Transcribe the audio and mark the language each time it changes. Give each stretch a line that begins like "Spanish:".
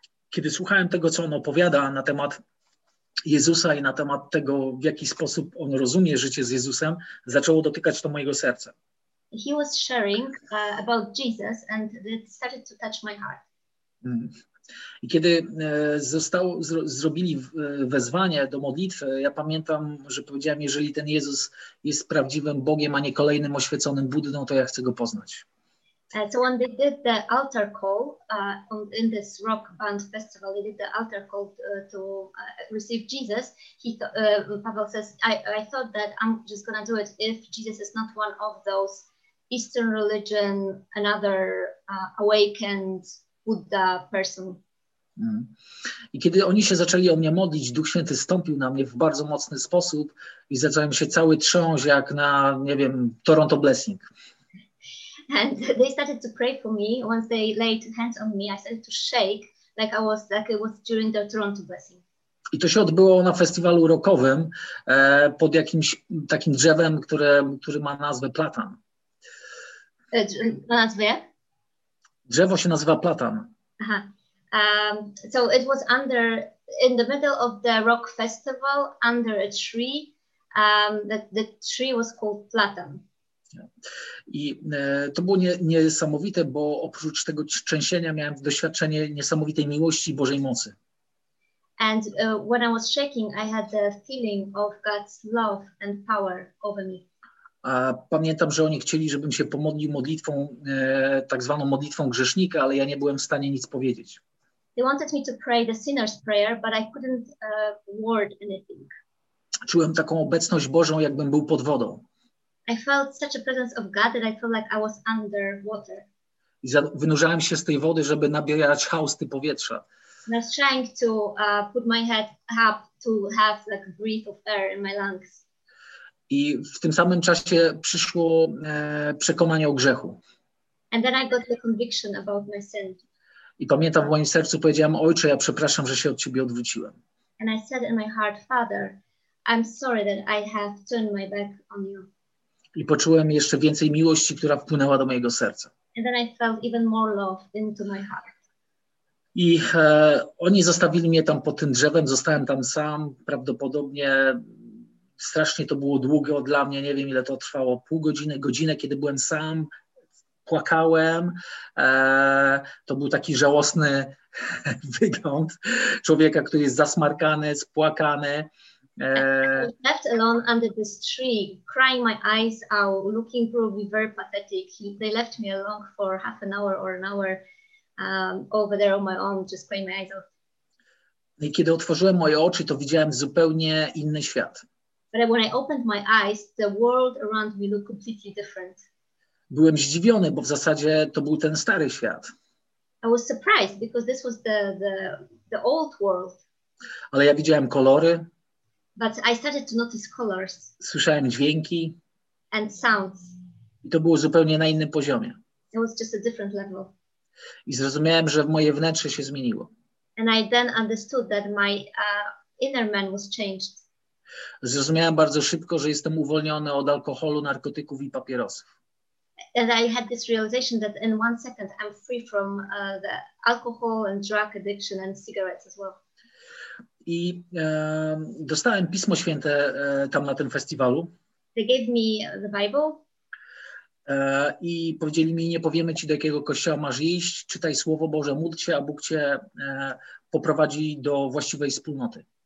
Polish: Kiedy słuchałem tego, co on opowiada na temat Jezusa i na temat tego, w jaki sposób on rozumie życie z Jezusem, zaczęło dotykać to mojego serca.
English: He was sharing about Jesus and it started to touch my heart.
Polish: I kiedy zrobili wezwanie do modlitwy, ja pamiętam, że powiedziałem, jeżeli ten Jezus jest prawdziwym Bogiem, a nie kolejnym oświeconym Buddą, to ja chcę go poznać.
English: So when they did the altar call in this rock band festival, they did the altar call to receive Jesus. Pavel says, I thought that I'm just gonna do it if Jesus is not one of those Eastern religion, another awakened Buddha person.
Polish: I kiedy oni się zaczęli o mnie modlić, Duch Święty stąpił na mnie w bardzo mocny sposób i zacząłem się cały trząść jak na, nie wiem, Toronto Blessing.
English: And they started to pray for me. Once they laid hands on me, I started to shake like it was during the Toronto Blessing.
Polish: I to się odbyło na festiwalu rockowym pod jakimś takim drzewem, który ma nazwę platan. Nazwę? Drzewo się nazywa platan. Aha.
English: So it was under, in the middle of the rock festival, under a tree. The tree was called platan.
Polish: I to było niesamowite, bo oprócz tego trzęsienia miałem doświadczenie niesamowitej miłości i Bożej mocy.
English: And when I was shaking, I had the feeling of God's love and power over me.
Polish: A pamiętam, że oni chcieli, żebym się pomodlił modlitwą, tak zwaną modlitwą grzesznika, ale ja nie byłem w stanie nic powiedzieć.
English: They wanted me to pray the sinner's prayer, but I couldn't word anything.
Polish: Czułem taką obecność Bożą, jakbym był pod wodą.
English: I felt such a presence of God that I felt like I was under water.
Polish: Wynurzałem się z tej wody, żeby nabierać hausty powietrza.
English: And I was trying to put my head up to have like a breath of air in my lungs.
Polish: I w tym samym czasie przyszło przekonanie o grzechu.
English: And then I got the conviction about my sin.
Polish: I pamiętam, w moim sercu powiedziałem: Ojcze, ja przepraszam, że się od Ciebie odwróciłem.
English: And I said in my heart, Father, I'm sorry that I have turned my back on you.
Polish: I poczułem jeszcze więcej miłości, która wpłynęła do mojego serca.
English: And then I felt even more love into my heart.
Polish: I oni zostawili mnie tam pod tym drzewem, zostałem tam sam. Prawdopodobnie strasznie to było długo dla mnie, nie wiem ile to trwało, pół godziny, godzinę, kiedy byłem sam, płakałem. To był taki żałosny wygląd człowieka, który jest zasmarkany, spłakany.
English: I was left alone under this tree, crying my eyes out, looking probably very pathetic. They left me alone for half an hour or an hour over there on my own, just crying my eyes out.
Polish: I kiedy otworzyłem moje oczy, to widziałem zupełnie inny świat.
English: But when I opened my eyes, the world around me looked completely different.
Polish: Byłem zdziwiony, bo w zasadzie to był ten stary świat.
English: I was surprised because this was the old world.
Polish: Ale ja widziałem kolory.
English: But I started to notice colors.
Polish: Słyszałem dźwięki.
English: And sounds.
Polish: I to było zupełnie na innym poziomie.
English: It was just a different level.
Polish: I zrozumiałem, że moje wnętrze się zmieniło.
English: And I then understood that my inner man was changed.
Polish: Zrozumiałem bardzo szybko, że jestem uwolniony od alkoholu, narkotyków i papierosów.
English: And I had this realization that in 1 second I'm free from the alcohol and drug addiction and cigarettes as well.
Polish: I dostałem Pismo Święte tam na tym festiwalu.
English: They gave me the Bible.
Polish: I powiedzieli mi, nie powiemy ci, do jakiego kościoła masz iść, czytaj Słowo Boże, módl się, a Bóg cię poprowadzi do właściwej wspólnoty.